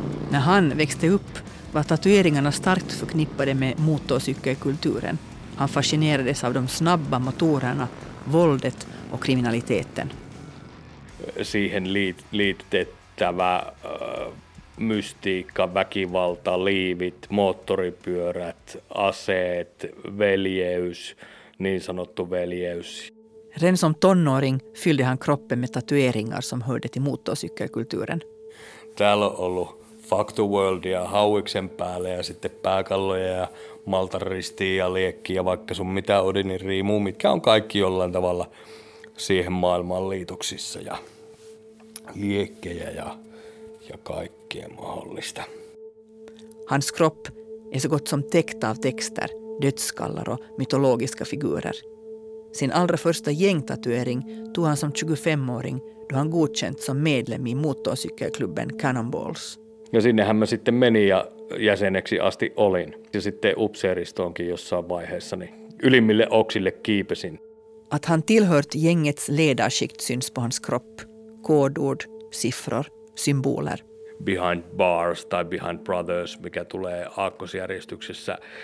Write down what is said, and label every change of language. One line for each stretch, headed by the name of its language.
Swedish: När han växte upp var tatueringarna starkt förknippade med motorcykelkulturen. Han fascinerades av de snabba motorerna, våldet och kriminaliteten.
Finnish: Siihen liitettävä mystiikka, väkivalta, liivit, moottoripyörät, aseet, veljeys, niin sanottu veljeys.
Swedish: Redan som tonåring fyllde han kroppen med tatueringar som hörde till motorcykelkulturen.
Finnish: Täällä on ollut Factor World ja hauiksen päälle ja sitten pääkalloja ja Maltan ristiin ja liekki ja vaikka sun mitä Odinin riimuu, mitkä on kaikki jollain tavalla siihen maailman liitoksissa ja liekkejä ja kaikkea mahdollista.
Swedish: Hans kropp är så gott som täckt av texter, dödskallar och mytologiska figurer. Sin allra första gängtatuering tog han som 25-åring då han godkänt som medlem i motorcykelklubben Cannonballs.
Finnish: Ja sinnehän mä sitten menin ja jäseneksi asti olin. Ja sitten upseeristoonkin jossain vaiheessa, niin ylimmille oksille kiipesin.
Swedish: Att han tillhört gängets ledarskikt syns på hans kropp. Kodord, siffror, symboler.
English: Behind bars
Finnish: tai
English: behind brothers,
Finnish: mikä tulee aakkosjärjestyksessä.